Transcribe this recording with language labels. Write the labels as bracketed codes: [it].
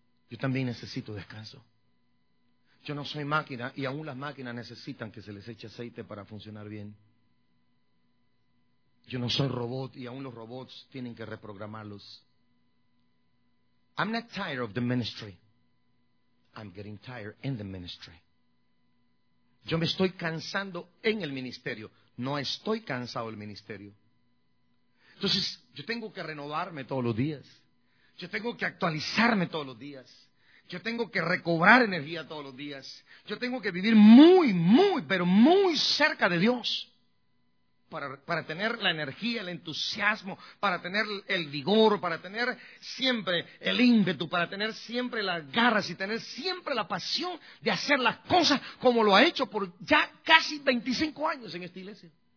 [es] Yo también necesito descanso. Yo no soy máquina y aún las máquinas necesitan que se les eche aceite para funcionar bien. Yo no soy robot y aún los robots tienen que reprogramarlos. [en] I'm not tired of the ministry. I'm getting tired in the ministry. [es] Yo me estoy cansando en el ministerio. No estoy cansado del ministerio. Entonces, yo tengo que renovarme todos los días. Yo tengo que actualizarme todos los días. Yo tengo que recobrar energía todos los días. Yo tengo que vivir muy, muy, pero muy cerca de Dios para tener la energía, el entusiasmo, para tener el vigor, para tener siempre el ímpetu, para tener siempre las garras y tener siempre la pasión de hacer las cosas como lo ha hecho por ya casi 25 años en esta iglesia.